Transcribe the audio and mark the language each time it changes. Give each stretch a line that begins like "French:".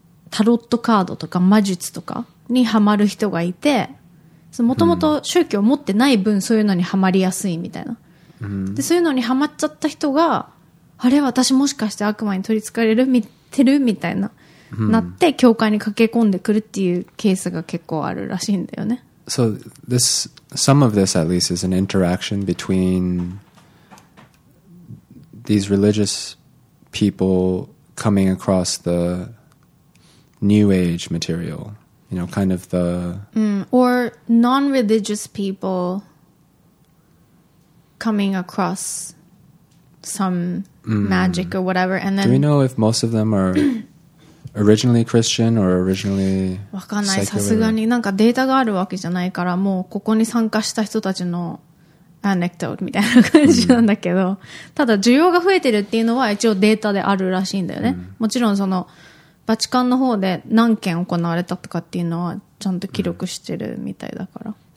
Japanese: タロットカードとか魔術とかにハマる人がいて、もともと宗教を持ってない分そういうのにハマりやすいみたいな、でそういうのにハマっちゃった人が、あれ私もしかして悪魔に取り憑かれる見てるみたいななって教会に駆け込んでくるっていうケースが結構あるらしいんだよね。
English: So this, some of this at least is an interaction between these religious people coming across the new age material. you know, kind of the... Or non-religious people coming across some magic or whatever, and then... Do we know if most of them are originally Christian or originally secular?
Japanese: わかんない。さすがになんかデータがあるわけじゃないから、もうここに参加した人たちのアネクトみたいな感じなんだけど、ただ需要が増えてるっていうのは一応データであるらしいんだよね。もちろんそのバチカンの方で何件行われたとかっていうのはちゃんと記録してるみたいだから。